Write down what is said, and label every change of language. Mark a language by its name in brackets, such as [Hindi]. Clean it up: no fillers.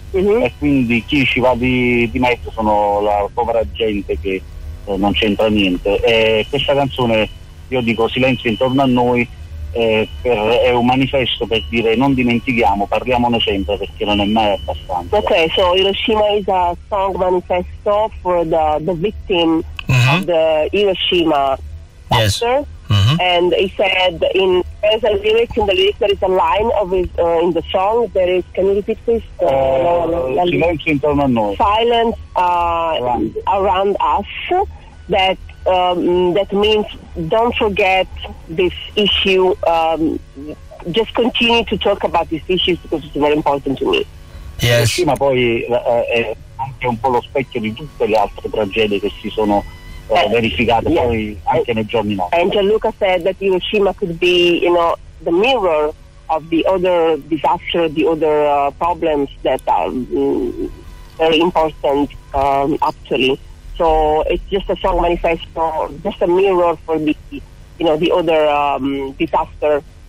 [Italian] Mm-hmm. E quindi chi ci va di mezzo sono la povera gente che non c'entra niente. E questa canzone, io dico silenzio intorno a noi, è un manifesto per dire non dimentichiamo, parliamone sempre perché non è mai abbastanza. [English] Ok, so Hiroshima is a song manifesto for the victim, mm-hmm, of the Hiroshima disaster. Yes. Mm-hmm. And he said in there's a lyric, in the lyric there is a line of his, in the song there is, can you repeat this? [Italian] Silence intorno a noi. [English] Silence around us, that that means don't forget this issue, just continue to talk about these issues because it's very important to me. Yes. [Italian] Sì, ma poi è anche un po' lo specchio di tutte le altre tragedie che si sono verificate poi anche nei giorni nostri. [English] And Gianluca said that Hiroshima could be, you know, the mirror of the other disaster, the other problems that are very important actually. So it's just a song manifesto, just a mirror for the, you know, the other disaster.